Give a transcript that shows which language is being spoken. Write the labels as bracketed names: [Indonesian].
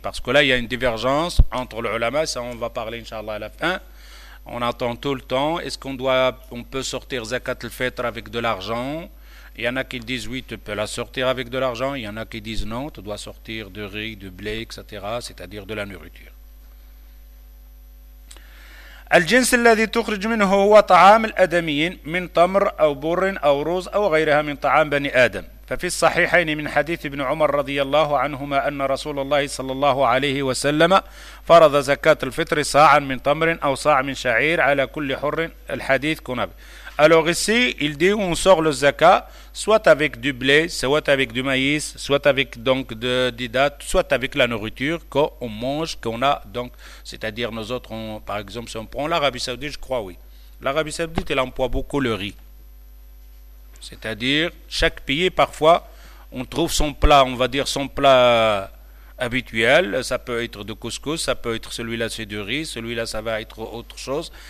[French] Parce que là, il y a une divergence entre les ulama, ça on va parler, inshallah, à la fin. On attend tout le temps, est-ce qu'on peut sortir zakat al-fitr avec de l'argent? Il y en a qui disent oui, tu peux la sortir avec de l'argent, il y en a qui disent non, tu dois sortir de riz, de blé, etc., c'est-à-dire de la nourriture. [Arabic] الجنس الذي تخرج منه هو طعام الأدميين من تمر أو بر أو روز أو غيرها من طعام بني آدم ففي الصحيحين من حديث ابن عمر رضي الله عنهما أن رسول الله صلى الله عليه وسلم فرض زكاة الفطر صاعا من تمر أو صاع من شعير على كل حر الحديث كنبي [French] Alors ici, il dit on sort le zakat soit avec du blé, soit avec du maïs, soit avec donc des dattes, soit avec la nourriture qu'on mange, qu'on a. Donc, c'est-à-dire nous autres, par exemple, si on prend l'Arabie Saoudite, je crois oui. L'Arabie Saoudite, elle emploie beaucoup le riz. C'est-à-dire, chaque pays, parfois, on trouve son plat, on va dire son plat habituel. Ça peut être de couscous, ça peut être celui-là c'est du riz, celui-là ça va être autre chose.